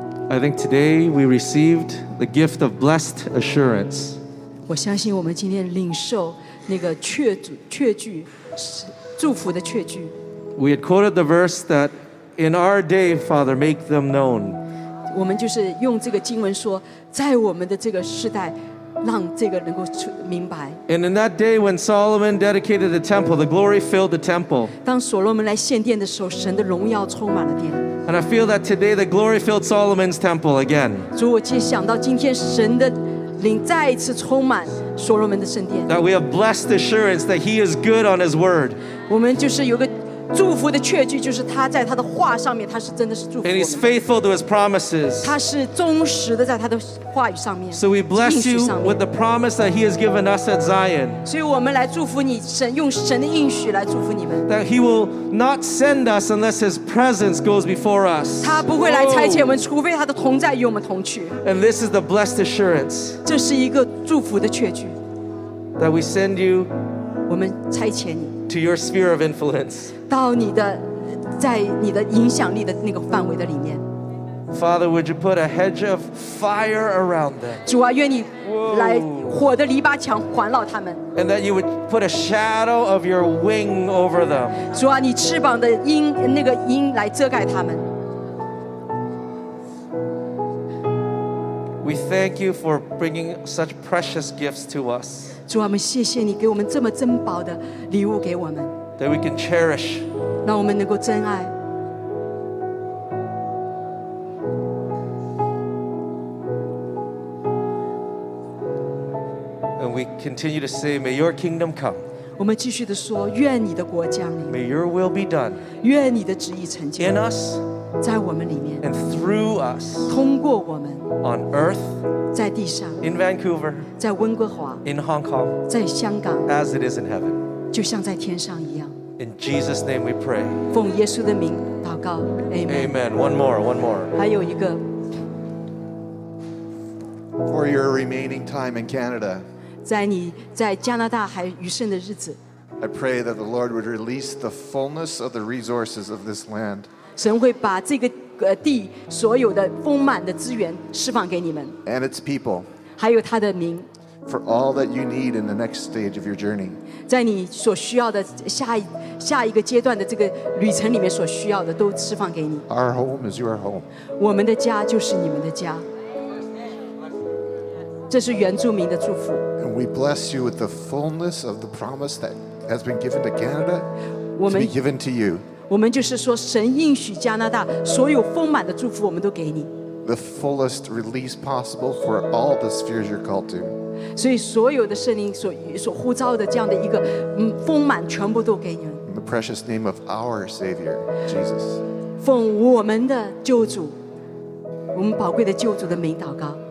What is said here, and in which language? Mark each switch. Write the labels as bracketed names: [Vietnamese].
[English] I think today we received the gift of blessed assurance. [Chinese] 我相信我们今天领受那个确主确据祝福的确据。 [English] We had quoted the verse that in our day, Father, make them known. [Chinese] 我们就是用这个经文说，在我们的这个时代，让这个能够出明白。 [English] And in that day when Solomon dedicated the temple, the glory filled the temple. [Chinese] 当所罗门来献殿的时候，神的荣耀充满了殿。 [English] And I feel that today the glory filled Solomon's temple again. [Chinese] 主，我却想到今天神的灵再一次充满所罗门的圣殿。 [English] That we have blessed assurance that He is good on His word. [Chinese] 我们就是有个祝福的确据，就是他在他的话上面，他是真的是祝福。 [English] And He's faithful to His promises. [Chinese] 他是忠实的，在他的话语上面。 [English] So we bless you with the promise that He has given us at Zion. [Chinese] 所以我们来祝福你，神用神的应许来祝福你们。 [English] That He will not send us unless His presence goes before us. [Chinese] 他不会来差遣我们，除非他的同在与我们同去。 [English] And this is the blessed assurance. [Chinese] 这是一个祝福的确据。 [English] That we send you. [Chinese] 我们差遣你。 [English] To your sphere of influence. [Chinese] 到你的，在你的影响力的那个范围的里面。 [English] Father, would you put a hedge of fire around them? [Chinese] 主啊，愿你来火的篱笆墙环绕他们。 [English] And that you would put a shadow of your wing over them. [Chinese] 主啊，你翅膀的鹰那个鹰来遮盖他们。 [English] We thank you for bringing such precious gifts to us. [Chinese] 主啊，我们谢谢你给我们这么珍宝的礼物给我们。 [English] That we can cherish. [Chinese] 让我们能够珍爱。 [English] And we continue to say, May your kingdom come. [Chinese] 我们继续地说，愿你的国降临。 [English] May your will be done. [Chinese] 愿你的旨意成就。 [English] In us. [Chinese] 在我们里面。 [English] And through us. [Chinese] 通过我们。 [English] On earth. [Chinese] 在地上。 [English] In Vancouver. [Chinese] 在温哥华。 [English] In Hong Kong. [Chinese] 在香港。 [English] As it is in heaven. [Chinese] 就像在天上一样。 [English] In Jesus' name we pray. [Chinese] 奉耶稣的名祷告。Amen. [English] Amen. One more. [Chinese] 还有一个。 [English] For your remaining time in Canada. [Chinese] 在你在加拿大还余剩的日子。 [English] I pray that the Lord would release the fullness of the resources of this land. [Chinese] 神会把这个地所有的丰满的资源释放给你们。 [English] And its people. [Chinese] 还有他的民。 [English] For all that you need in the next stage of your journey. [Chinese] 在你所需要的下一个阶段的这个旅程里面所需要的都释放给你。 [English] Our home is your home. [Chinese] 我们的家就是你们的家。这是原住民的祝福。 [English] And we bless you with the fullness of the promise that has been given to Canada to be given to you. [Chinese] 我们就是说神应许加拿大所有丰满的祝福我们都给你。 [English] The fullest release possible for all the spheres you're called to. [Chinese] 所以所有的圣灵所呼召的这样的一个丰满全部都给你们。 [English] In the precious name of our Savior, Jesus. [Chinese] 奉我们的救主我们宝贵的救主的名祷告。